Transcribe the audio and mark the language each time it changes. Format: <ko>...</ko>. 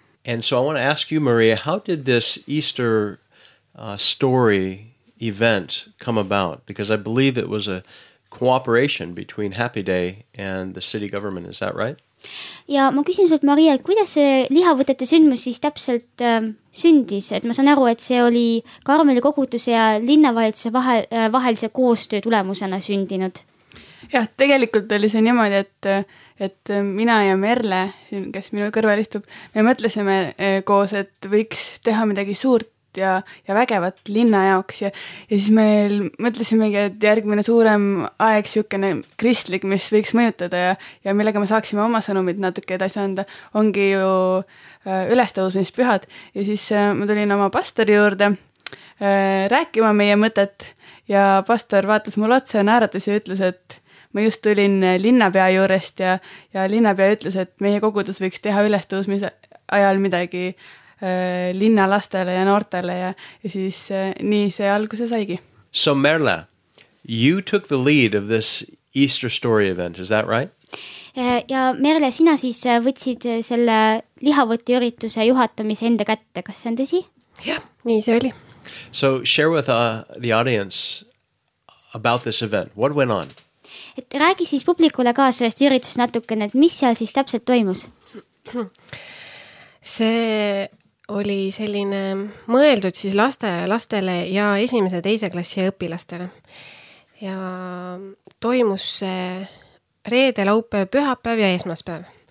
<en>And so I want to ask you, Maria, how did this Easter story event come about? Because I believe it was a cooperation between Happy Day and the city government, is that right?</en> <et>Ja ma küsin sult, Maria, kuidas see lihavõtete sündmus siis täpselt sündis? Et ma saan aru, et see oli Karmeli kogutuse ja linnavalitsuse vahelise koostöö tulemusena sündinud. Ja tegelikult oli see niimoodi, et mina ja Merle, kes minu kõrval istub, me mõtlesime koos, et võiks teha midagi suurt ja vägevat linna jaoks. Ja siis me mõtlesimegi, et järgmine suurem aeg siukene kristlik, mis võiks mõjutada ja millega me saaksime oma sõnumid natuke edasi anda, ongi ju ülestõusmispühad. Ja siis ma tulin oma pastori juurde rääkima meie mõtet ja pastor vaatas mul otsa ja naeratas ja ütles, et ma just tulin linnapea juurest ja linnapea ütles, et meie kogudus võiks teha ülestõusmise ajal midagi linna lastele ja noortele ja siis nii see alguse saigi.</et> <en>So Merle, you took the lead of this Easter story event, is that right?</en> <et>Ja Merle, sina siis võtsid selle lihavõtte ürituse juhatamise enda kätte, kas see on tõsi? Jah, nii see oli.</et> <en>So share with the audience about this event. What went on?</en> <et>Et räägi siis publikule ka sellest üritus natuke, et mis seal siis täpselt toimus? See oli selline mõeldud siis lastele ja esimese teise klassi õpilastele. Ja toimus see reede, laupäev, pühapäev ja esmaspäev.</et>